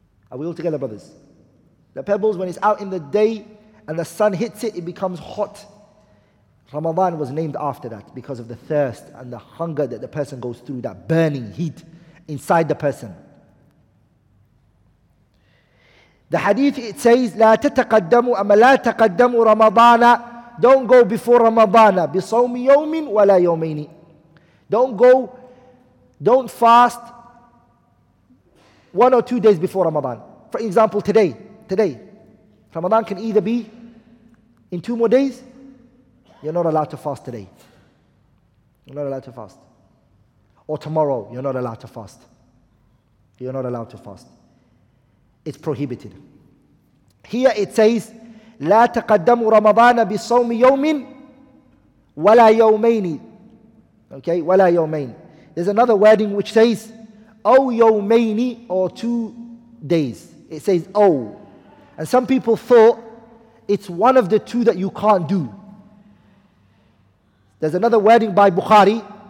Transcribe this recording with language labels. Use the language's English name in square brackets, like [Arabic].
[English] Are we all together, brothers? The pebbles, when it's out in the day and the sun hits it, it becomes hot. Ramadan was named after that because of the thirst and the hunger that the person goes through, that burning heat inside the person. The hadith, it says, [Arabic] لا تتقدموا أما لا تقدموا رمضان. [English] Don't go before [Arabic] رمضان بصوم يوم ولا يومين. [English] Don't go, don't fast one or two days before Ramadan. For example, today, Ramadan can either be in two more days. You're not allowed to fast today. You're not allowed to fast. Or tomorrow, you're not allowed to fast. You're not allowed to fast. It's prohibited. Here it says, [Arabic] لا تقدموا رمضان بصوم يوم ولا يومين. [English] Okay, [Arabic] ولا يومين. [English] There's another wording which says, [Arabic] أو يومين, [English] or 2 days. It says أو. And some people thought it's one of the two that you can't do. There's another wording by Bukhari